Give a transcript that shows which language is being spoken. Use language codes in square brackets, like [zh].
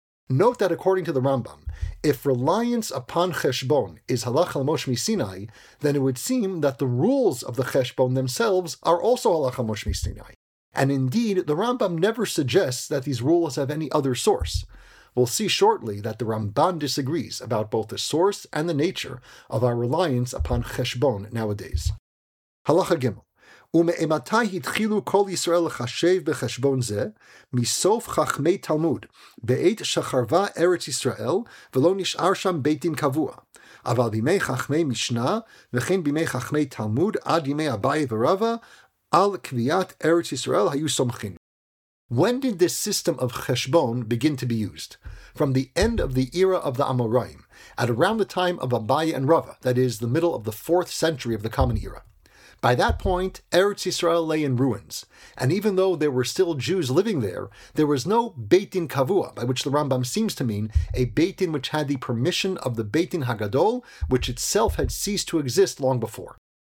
[en] Note that according to the Rambam, if reliance upon Cheshbon is halacha l'moshe mi-Sinai, then it would seem that the rules of the Cheshbon themselves are also halacha l'moshe mi-Sinai. And indeed, the Rambam never suggests that these rules have any other source. We'll see shortly that the Ramban disagrees about both the source and the nature of our reliance upon Cheshbon nowadays. [he] Halacha Gimel. ומאימתי התחילו כל ישראל לחשב בחשבון זה, מסוף חכמי תלמוד, בעת שחרבה ארץ ישראל, ולא נשאר שם בית דין קבוע. אבל בימי חכמי משנה, וכן בימי חכמי תלמוד, עד ימי אביי ורבה, על קביעת ארץ ישראל היו סומכים. [en] When did this system of Cheshbon begin to be used? From the end of the era of the Amoraim, at around the time of Abaye and Rava, that is, the middle of the 4th century of the Common Era. By that point, Eretz Yisrael lay in ruins, and even though there were still Jews living there, there was no Beit Din Kavua, by which the Rambam seems to mean a Beit Din which had the permission of the Beit Din HaGadol, which itself had ceased to exist long before.